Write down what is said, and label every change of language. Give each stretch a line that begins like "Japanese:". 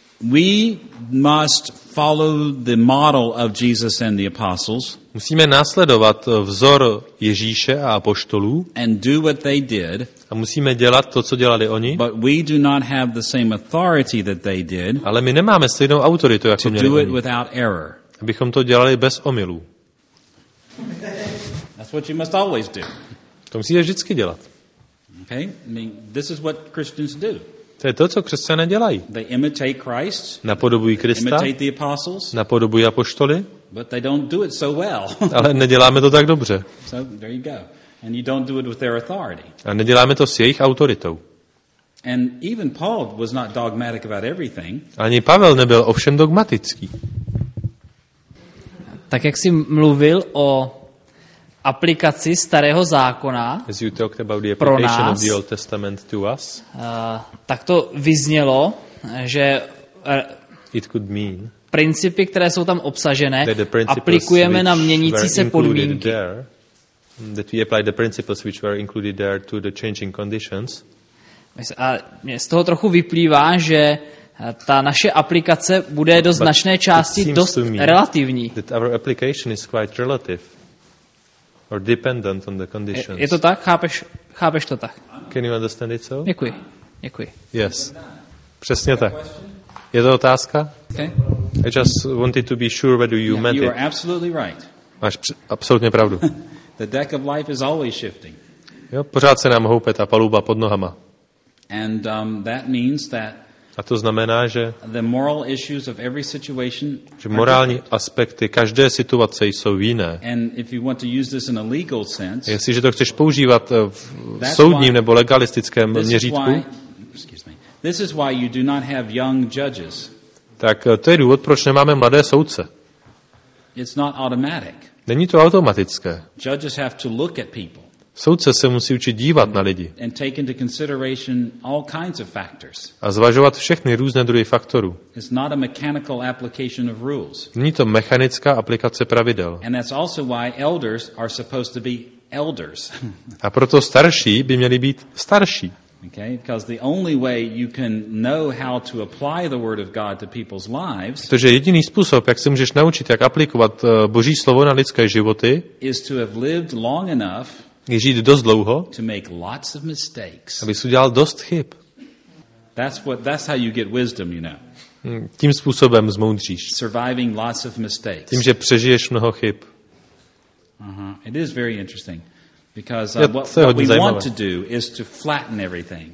English: We must follow the model of Jesus and the apostles.
Czech: Musíme následovat vzor Ježíše a apoštolů.
English: And do what they did.
Czech: A musíme dělat to, co dělali oni.
English: But we do not have the same authority that they did.
Czech: Ale my nemáme stejnou autoritu jako měli oni.
English: To do it without error.
Czech: Abychom to dělali bez omylů.
English: That's what you must always do.
Czech: To musíte vždycky dělat.
English: Okay? I mean, this is what Christians do.
Czech: To je to, co křesťané dělají.
English: They imitate Christ.
Czech: Napodobují Krista.
English: Imitate the apostles.
Czech: Napodobují apoštoly.
English: But they don't do it so well.
Czech: Ale neděláme to tak dobře.
English: So there you go. And you don't do it with their authority.
Czech: A neděláme to s jejich autoritou.
English: And even Paul was not dogmatic about everything.
Czech: Ani Pavel nebyl ovšem dogmatický. Tak jak jsi mluvil o aplikaci Starého zákona pro nás, tak to vyznělo, že
English: it could mean,
Czech: principy, které jsou tam obsažené, aplikujeme na měnící se podmínky.
English: There, that we apply the principles which were included there to the changing conditions.
Czech: A mě z toho trochu vyplývá, že ta naše aplikace bude do značné části dost relativní.
English: That our application is quite relative or dependent on the conditions.
Czech: Je to tak? Chápeš to tak?
English: Can you understand it so?
Czech: Děkuji. Yes. Přesně tak. Je to otázka?
English: Okay. I just wanted to be sure whether you meant it. You are absolutely right.
Czech: Máš absolutně pravdu.
English: The deck of life is always shifting.
Czech: Jo, pořád se nám houpe ta paluba pod nohama.
English: And that means that.
Czech: A to znamená, že
English: the moral issues of every situation,
Czech: že morální aspekty každé situace jsou jiné.
English: And if you want to use this in a legal sense,
Czech: jestliže to chceš používat v soudním nebo legalistickém měřítku,
English: this is why you do not have young judges.
Czech: Tak to je důvod, proč nemáme mladé soudce.
English: It's not automatic.
Czech: Není to automatické.
English: Judges have to look at people.
Czech: Soudce se musí učit dívat na lidi.
English: And take into consideration all kinds of factors.
Czech: A zvažovat všechny různé druhy faktorů.
English: It's not a mechanical application of rules.
Czech: Není to mechanická aplikace pravidel.
English: And that's also why elders are supposed to be elders.
Czech: A proto starší by měli být starší.
English: Okay? Because the only way you can know how to apply the word of God to people's lives,
Czech: protože jediný způsob, jak se můžeš naučit, jak aplikovat Boží slovo na lidské životy,
English: is to have lived long enough,
Czech: je žít dost dlouho,
English: to make lots of mistakes.
Czech: Aby jsi udělal dost chyb.
English: That's how you get wisdom, you know.
Czech: Tím způsobem zmoudříš.
English: Surviving lots of mistakes.
Czech: Tím, že přežiješ mnoho chyb.
English: It is very interesting. Because what we want to do is to flatten everything.